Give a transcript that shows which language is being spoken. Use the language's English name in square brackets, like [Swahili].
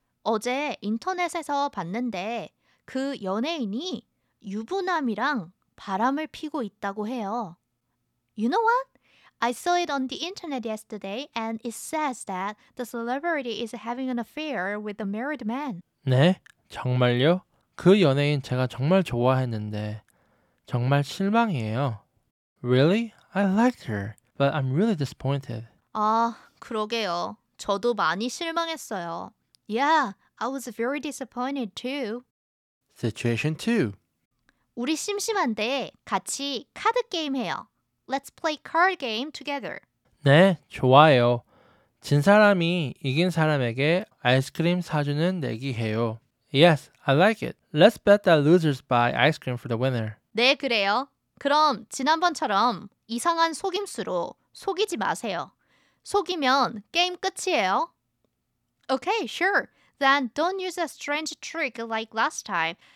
[Korean] 어제 인터넷에서 봤는데 그 연예인이 유부남이랑 바람을 피고 있다고 해요. [English] You know what? I saw it on the internet yesterday and it says that the celebrity is having an affair with a married man. [Korean] 네? 정말요? 그 연예인 제가 정말 좋아했는데 정말 실망이에요. [English] Really? I liked her, but I'm really disappointed. [Korean] 아, 그러게요. 저도 많이 실망했어요. [English] Yeah, I was very disappointed too. Situation 2. [Korean] 우리 심심한데 같이 카드 게임 해요. [English] Let's play card game together. [Korean] 네, 좋아요. 진 사람이 이긴 사람에게 아이스크림 사주는 내기 해요. [English] Yes, I like it. Let's bet that losers buy ice cream for the winner. [Korean] 네, 그래요. 그럼 지난번처럼 이상한 속임수로 속이지 마세요. 속이면 게임 끝이에요. [English] Okay, sure. Then don't use a strange trick like last time.